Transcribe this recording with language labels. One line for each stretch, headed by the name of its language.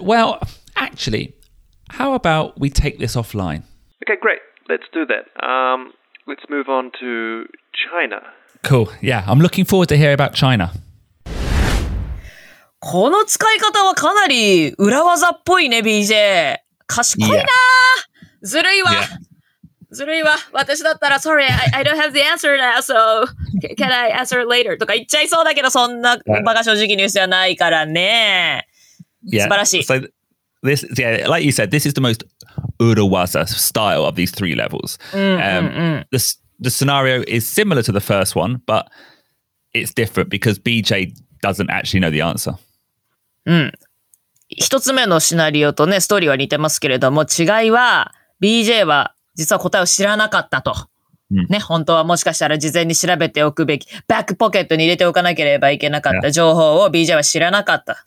English: Well, actually, how about we take this offline? Okay, great. Let's do that. Let's move on to China. Cool. Yeah, I'm looking forward to hearing about China.
Japanese: この使い方はかなり裏技っぽいね、BJ。賢いなー。Yeah. ずるいわ。Yeah. ずるいわ。私だったら、
English: sorry, I don't have the answer now, so can I answer later?
Japanese: とか言っちゃいそうだけど、そんな馬鹿正直ニュースじゃないからね。
English: Yeah.
Japanese: 素晴らしい。
English: So, this, yeah, like you said, this is the most urawaza style of these three levels. The scenario is similar to the first one, but it's different because BJ doesn't actually know the answer.
Japanese: うん。一つ目のシナリオとね、ストーリーは似てますけれども、違いは、BJ は実は答えを知らなかったと、ね、本当はもしかしたら事前に調べておくべきバックポケットに入れておかなければいけなかった情報を BJ は知らなかった。